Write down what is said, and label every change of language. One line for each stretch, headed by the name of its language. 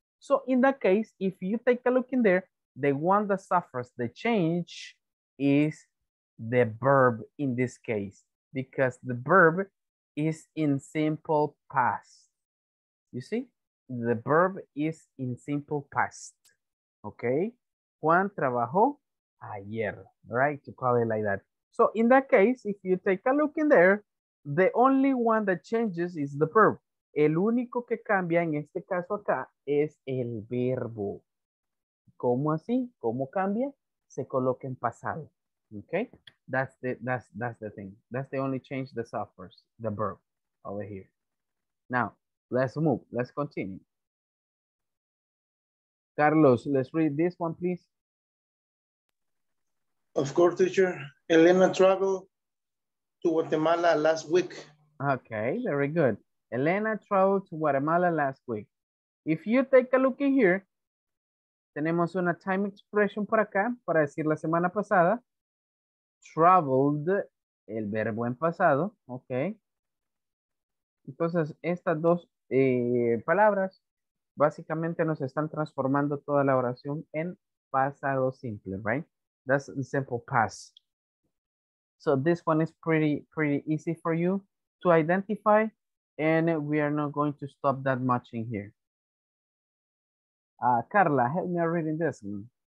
English: So in that case, if you take a look in there, the one that suffers the change is the verb in this case, because the verb is in simple past. You see, the verb is in simple past, okay?
Spanish: Juan trabajó ayer,
English: right? To call it like that. So in that case, if you take a look in there, the only one that changes is the verb.
Spanish: El único que cambia en este caso acá es el verbo. ¿Cómo así? ¿Cómo cambia? Se coloca en pasado, okay?
English: That's the thing. That's the only change that suffers, the verb over here. Now, let's move, let's continue. Carlos, let's read this one, please. Of course, teacher. Elena traveled to Guatemala last week. Okay, very good. Elena traveled to Guatemala last week. If you take a look in here,
Spanish: tenemos una time expression por acá para decir la semana pasada. Traveled, el verbo en pasado, okay. Entonces, estas dos palabras básicamente nos están transformando toda la oración en pasado simple, right?
English: That's the simple past. So this one is pretty easy for you to identify, and we are not going to stop that much in here. Carla, help me reading this one.